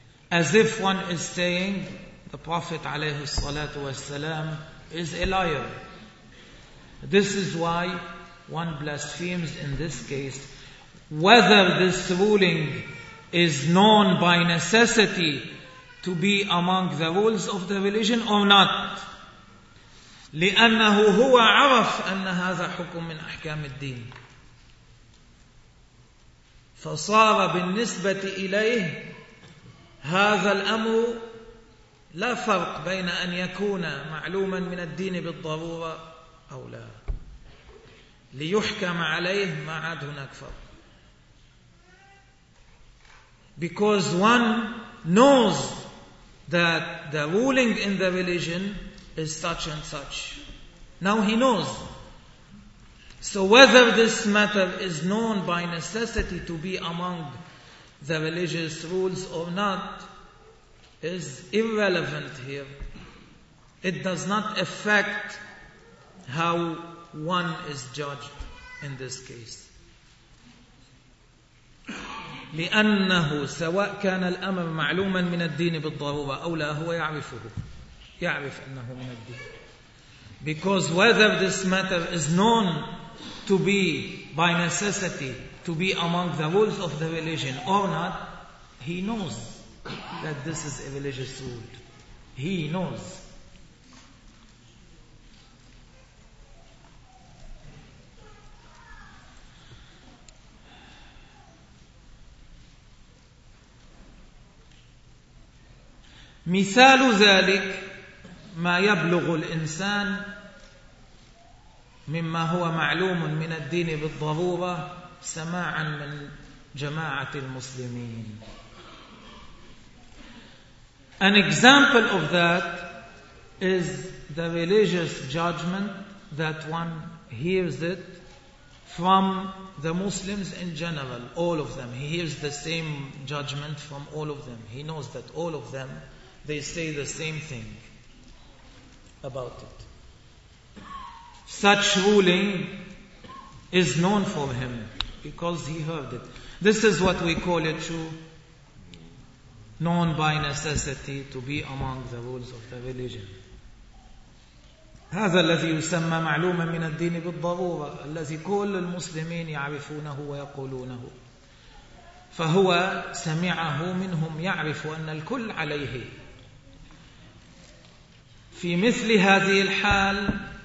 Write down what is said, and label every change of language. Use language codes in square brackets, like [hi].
[en] As if one is saying, the Prophet alayhi salatu wasalam is a liar. This is why one blasphemes in this case. Whether this ruling is known by necessity to be among the rules of the religion or not. [ar] لأنه هو عرف أن هذا حكم من أحكام الدين، فصار بالنسبة إليه هذا الأمر لا فرق بين أن يكون معلوما من الدين بالضرورة أو لا، ليحكم عليه ما عاد هناك فرق. [en] Because one knows that the ruling in the religion is such and such. Now he knows. So whether this matter is known by necessity to be among the religious rules or not is irrelevant here. It does not affect how one is judged in this case. [ar] لأنه سواء كان الأمر معلوما من الدين بالضرورة أو لا، هو يعرفه، يعرف أنه من الدين. [en] Because whether this matter is known to be by necessity to be among the rules of the religion or not, he knows that this is a religious rule. He knows. مثال ذلك ما يبلغ الإنسان مما هو معلوم من الدين بالضرورة سماعا من جماعة المسلمين. An example of that is the religious judgment that one hears it from the Muslims in general, all of them. He hears the same judgment from all of them. He knows that all of them, they say the same thing about it. Such ruling is known for him because he heard it. This is what we call it true, known by necessity to be among the rules of the religion. [ar] هذا الذي يسمى معلوما من الدين بالضرورة، الذي كل المسلمين يعرفونه ويقولونه، فهو سمعه منهم، يعرف أن الكل عليه. في مثل هذه الحال